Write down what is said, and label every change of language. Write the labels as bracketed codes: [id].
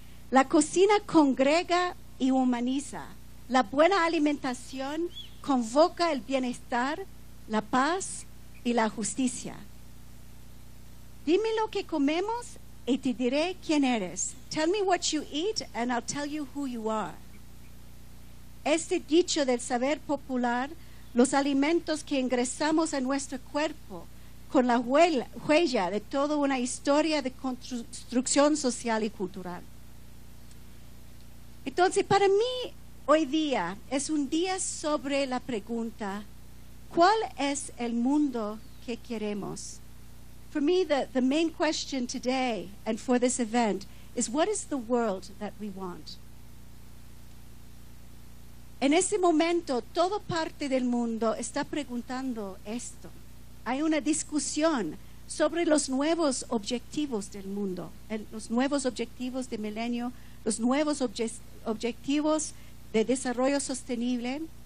[es] La cocina congrega y humaniza. La buena alimentación convoca el bienestar, la paz y la justicia. Dime lo que comemos y te diré quién eres. [en] Tell me what you eat and I'll tell you who you are. [es] Este dicho del saber popular los alimentos que ingresamos a nuestro cuerpo con la huella de toda una historia de construcción social y cultural. Entonces, para mí, hoy día es un día sobre la pregunta, ¿cuál es el mundo que queremos? [en] For me, the main question today and for this event is, what is the world that we want? [es] En ese momento, toda parte del mundo está preguntando esto. Hay una discusión sobre los nuevos objetivos del mundo, los nuevos objetivos de milenio, los nuevos objetivos de desarrollo sostenible.